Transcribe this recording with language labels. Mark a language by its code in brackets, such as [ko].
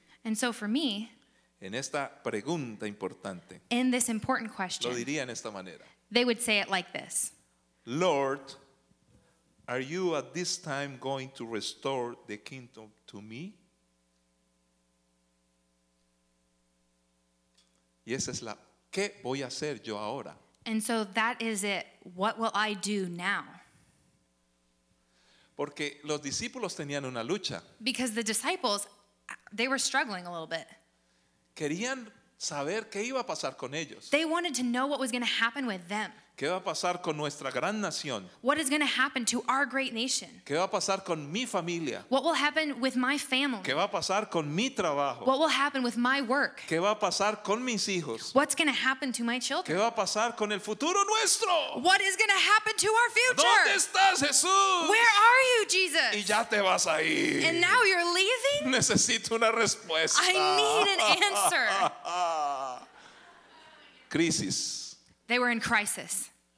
[en] and so for me, [es] en esta pregunta importante, [en] in this important question, [es] lo diría en esta manera. [en] They would say it like this. Lord, are you at this time going to restore the kingdom to me? [es] Y esa es la, ¿qué voy a hacer yo ahora? [en] And so that is it. What will I do now? [es] Porque los discípulos tenían una lucha. [en] Because the disciples, they were struggling a little bit. [es] querían saber qué iba a pasar con ellos. [en] They wanted to know what was going to happen with them. [es] ¿Qué va a pasar con nuestra gran nación? [en] What is going to happen to our great nation? [es] ¿Qué va a pasar con mi familia? [en] What will happen with my family? [es] ¿Qué va a pasar con mi trabajo? [en] What will happen with my work? [es] ¿Qué va a pasar con mis hijos? [en] What's going to happen to my children? [es] ¿Qué va a pasar con el futuro nuestro? [en] What is going to happen to our future? [es] ¿Dónde estás, Jesús? [en] Where are you, Jesus? [es] Y ya te vas a ir. [en] And now you're leaving? [es] Necesito una respuesta. [en] I need an answer. [es] Crisis. [en] They were in crisis.